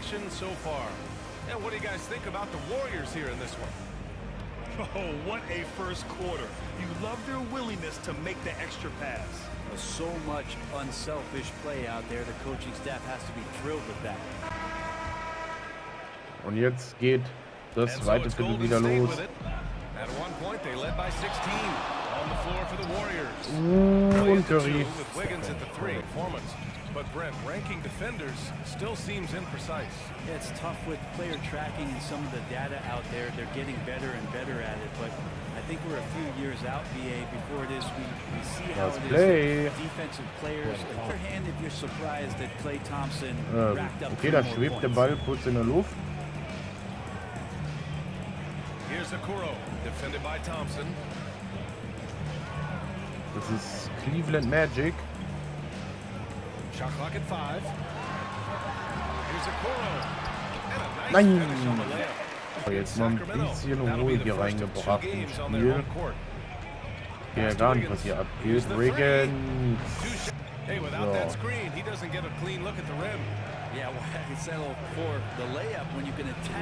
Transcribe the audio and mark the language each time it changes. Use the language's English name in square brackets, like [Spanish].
[English] So far, and what do you guys think about the Warriors here in this one? Oh, what a first quarter! You love their willingness to make the extra pass. There's so much unselfish play out there. The coaching staff has to be thrilled with that. [German] Und jetzt geht das zweite Viertel wieder los. [English] At one point, they led by 16 on the floor for the Warriors. [German] Und Curry. [English] With Wiggins at the three, performance. But Brent, ranking defenders still seems imprecise. Yeah, it's tough with player tracking and some of the data out there. They're getting better and better at it, but I think we're a few years out, BA, before it is. We see how it play is. Defensive players. Oh. Beforehand, if you're surprised that Klay Thompson racked up [German] okay, da schwebt der Ball kurz in der Luft. [English] Here's Okoro, defended by Thompson. This is Cleveland Magic. Shot clock at five. Here's Okoro. [German] Nein! Oh, jetzt mal ein bisschen Ruhe hier reingebracht im Spiel. Ja, gar nicht, was hier abgeht. Riggins! [English] Hey, without that screen, he doesn't get a clean look at the rim. Yeah, well, it's settled for the layup when you can attack